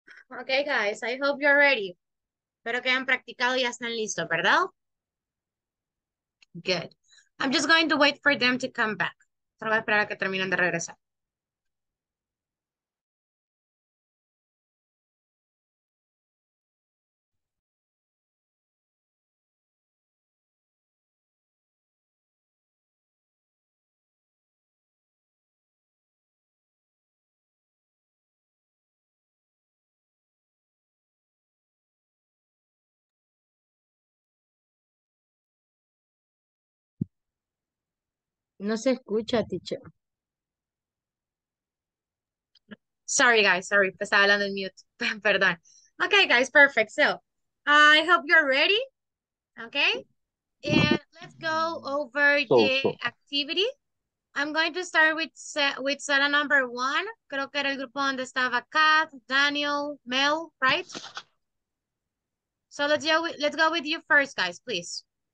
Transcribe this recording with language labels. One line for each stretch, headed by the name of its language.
English: Ok, guys, I hope you're ready.
Spanish: Espero que hayan practicado y ya están listos, ¿verdad?
English: Good. I'm just going to wait for them to come back.
Spanish: Solo voy a esperar a que terminen de regresar. No se escucha, teacher.
English: Sorry, guys. Sorry.
Spanish: Estaba hablando en mute. Perdón.
English: Okay, guys. Perfect. So, I hope you're ready. Okay? And let's go over the activity. I'm going to start with Sara number one.
Spanish: Creo que era el grupo donde estaba Kat, Daniel, Mel, right?
English: So, let's go with you first, guys. Please.